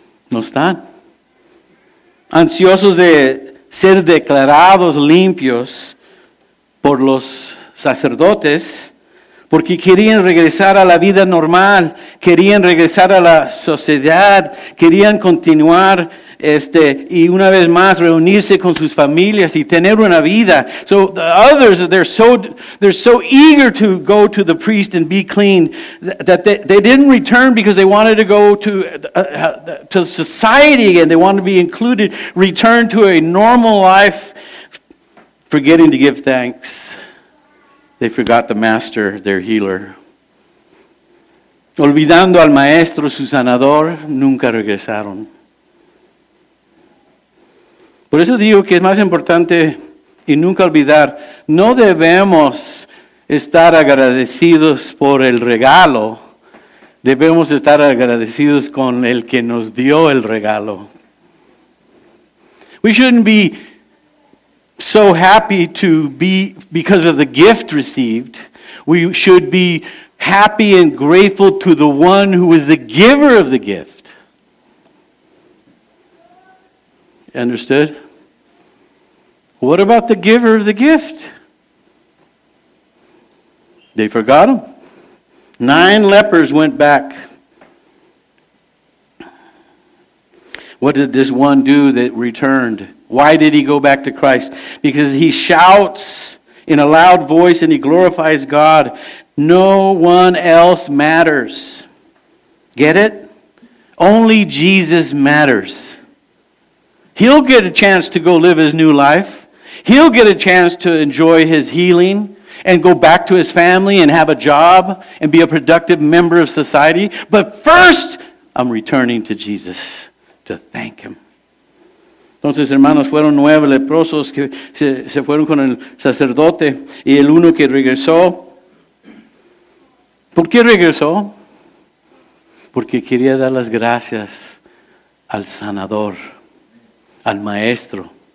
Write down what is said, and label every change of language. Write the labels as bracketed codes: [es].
[es] No están. Ansiosos de ser declarados limpios por los sacerdotes, porque querían regresar a la vida normal, querían regresar a la sociedad, querían continuar y una vez más reunirse con sus familias y tener una vida. [en] So the others, they're so eager to go to the priest and be clean that they didn't return because they wanted to go to society again. They wanted to be included, return to a normal life, forgetting to give thanks. They forgot the master, their healer. [es] Olvidando al maestro, su sanador, nunca regresaron. Por eso digo que es más importante y nunca olvidar, no debemos estar agradecidos por el regalo, debemos estar agradecidos con el que nos dio el regalo. [en] We shouldn't be so happy to be because of the gift received. We should be happy and grateful to the one who is the giver of the gift. Understood? What about the giver of the gift? They forgot him. 9 lepers went back. What did this one do that returned? Why did he go back to Christ? Because he shouts in a loud voice and he glorifies God. No one else matters. Get it? Only Jesus matters. He'll get a chance to go live his new life. He'll get a chance to enjoy his healing and go back to his family and have a job and be a productive member of society. But first, I'm returning to Jesus to thank him. [es] Entonces, hermanos, fueron 9 leprosos que se fueron con el sacerdote y el uno que regresó. ¿Por qué regresó? Porque quería dar las gracias al sanador, al maestro.